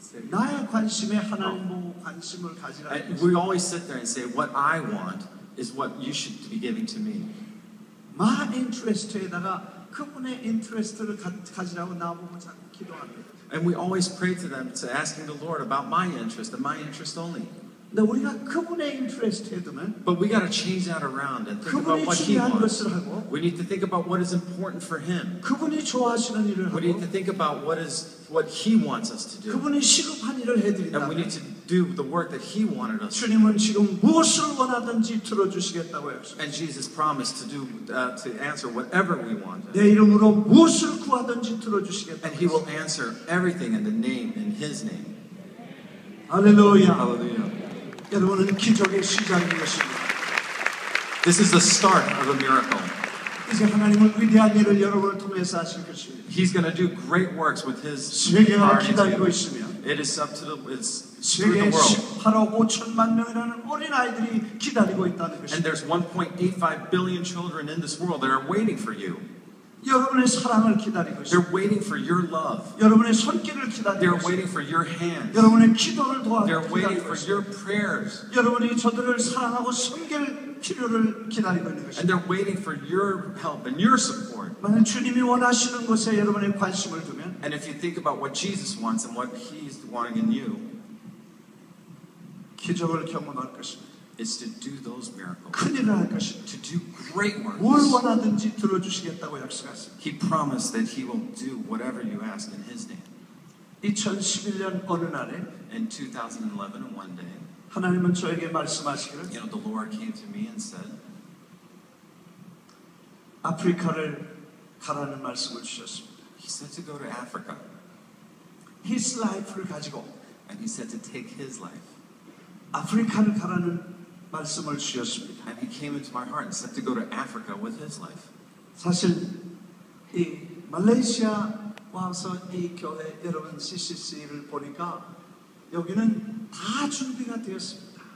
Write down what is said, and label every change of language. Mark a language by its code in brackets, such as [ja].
[ko] 나의 관심에 하나님 보고 관심을 가지라고 합니다. [en] We always sit there and say, what I want is what you should be giving to me. My interest [ko] 에다가 그분의 interest를 가지라고 나보고 자꾸 기도합니다. [en] And we always pray to them to asking the Lord about my interest and my interest only. [ko] 근데 우리가 그분의 인트레스트 해두면 [en] But we got to change that around and think about what he wants. We need to think about what is important for him. [ko] 그분이 좋아하시는 일을 하고 [en] We need to think about what he wants us to do. [ko] 그분이 시급한 일을 해드린다. [en] And we need to do the work that he wanted us to do. [ko] 주님은 지금 무엇을 원하든지 들어주시겠다고 했어요. [en] And Jesus promised to do to answer whatever we want. [ko] 내 이름으로 무엇을 구하든지 들어주시겠다. [en] And he will answer everything in the name in his name. Hallelujah. Hallelujah. [ko] 여러분은 기적의 시작인 것입니다. [en] This is the start of a miracle. [ko] 이제 하나님은 위대한 일을 여러분을 통해서 하실 것입니다. [en] He's going to do great works with His [ko] heart. 세계가 기다리고 있으면 [en] It is up to the world. [ko] 세계의 18억 5천만 명이라는 어린 아이들이 기다리고 있다는 것입니다. [en] And there's 1.85 billion children in this world that are waiting for you. [ko] 여러분의 사랑을 기다리고 있어요. [en] They're waiting for your love. [ko] 여러분의 손길을 기다리고 있어요. [en] They're waiting for your hands. [ko] 여러분의 기도를 도와 기다리고 [en] They're waiting for your prayers. [ko] 여러분이 저들을 사랑하고 섬길 필요를 기다리고 있는 것입니다. [en] And they're waiting for your help and your support. [ko] 만약 주님이 원하시는 것에 여러분의 관심을 두면 [en] And if you think about what Jesus wants and what he's wanting in you, [ko] 기적을 경험할 것입니다. [en] Is to do those miracles. [ko] 큰일을 할 것입니다. [en] To do great works. [ko] 뭘 원하든지 들어주시겠다고 약속하셨습니다. [en] He promised that he will do whatever you ask in his name. [ko] 2011년 어느 날에 [en] In 2011, one day, [ko] 하나님은 저에게 말씀하시기를 [en] You know, the Lord came to me and said, [ko] 아프리카를 가라는 말씀을 주셨습니다. [en] He said to go to Africa. His life [ko] 를 가지고 [en] And he said to take his life. [ko] 아프리카를 가라는 말씀을 주셨습니다. [en] And he came into my heart and said to go to Africa with his life. [ko] 사실 이 말레이시아 와서 이 교회 여러분 CCC를 보니까 여기는 다 준비가 되었습니다.